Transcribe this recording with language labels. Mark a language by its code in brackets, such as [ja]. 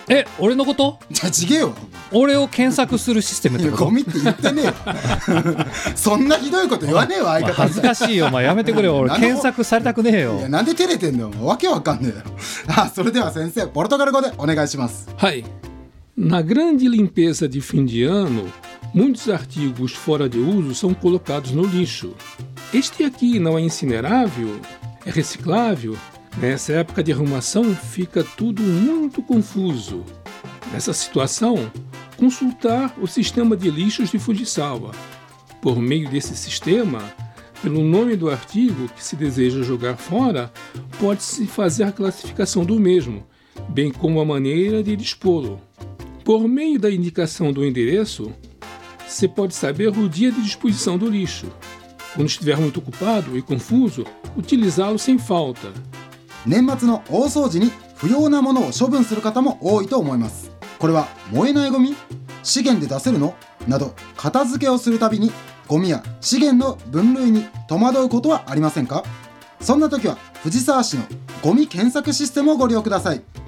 [ja] え、俺のこと？じゃあ違えよ。俺を検索するシステムってこと？ゴミって言ってねえよ。そんなひどいこと言わねえわ相方。恥ずかしいよ、まあ、やめてくれよ。俺検索されたくねえよ。なんで照れてんの？わけわかんねえよ。それでは先生、ポルトガル語でお願いします。はい。 [pt] Na grande limpeza de fim de ano, muitos artigos fora de uso são colocados no lixo. Este aqui não é incinerável? É reciclável? Nessa época de arrumação, fica tudo muito confuso. Nessa situação, consultar o sistema de lixos de Fujisawa. Por meio desse sistema, pelo nome do artigo que se deseja jogar fora, pode-se fazer a classificação do mesmo, bem como a maneira de dispô-lo. Por meio da indicação do endereço, se pode saber o dia de disposição do lixo. Quando estiver muito ocupado e confuso, utilizá-lo sem falta. [ja] 年末の大掃除に不要なものを処分する方も多いと思います。これは燃えないゴミ？資源で出せるの？など片付けをするたびにゴミや資源の分類に戸惑うことはありませんか？そんな時は藤沢市のゴミ検索システムをご利用ください。